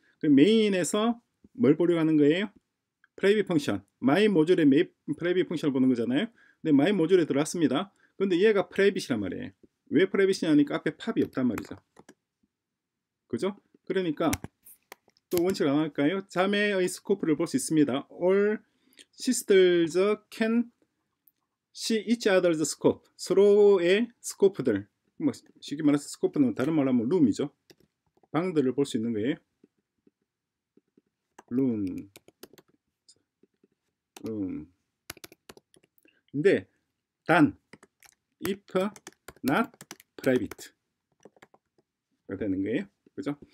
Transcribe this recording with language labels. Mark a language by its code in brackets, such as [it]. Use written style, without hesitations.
[ko] 그럼 메인에서 뭘 보려고 하는 거예요? 프라이빗 펑션. 마이 모듈의 프라이빗 펑션을 보는 거잖아요. 근데 마이 모듈에 들어왔습니다. 근데 얘가 프라이빗이란 말이에요. 왜 프라이빗이냐니까 앞에 팝이 없단 말이죠. 그죠? 그러니까 또 원칙을 안 할까요? 자매의 스코프를 볼 수 있습니다. [en] All sisters can see each other's scope. [ko] 서로의 스코프들. 뭐 쉽게 말해서 스코프는 다른 말로 하면 룸이죠. 방들을 볼 수 있는 거예요. 룸. 룸. 근데 단 [en] if not private. [ko] 가 되는 거예요. 그죠?